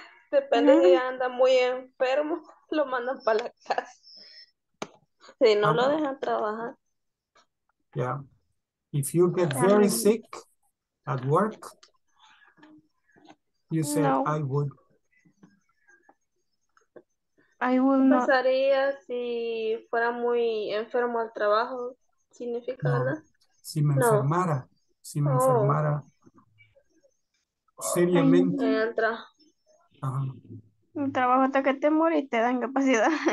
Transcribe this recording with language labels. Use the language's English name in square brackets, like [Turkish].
[Spanish] Depende si anda muy enfermo, lo mandan para la casa. Si no, lo dejan trabajar. [English] Yeah. If you get very sick at work, you say, no. I would. I would not. [Spanish] ¿Qué pasaría si fuera muy enfermo al trabajo? ¿Significa nada? No. Si me enfermara. No. Si me enfermara. Seriamente. Un trabajo hasta que te muere y te da incapacidad.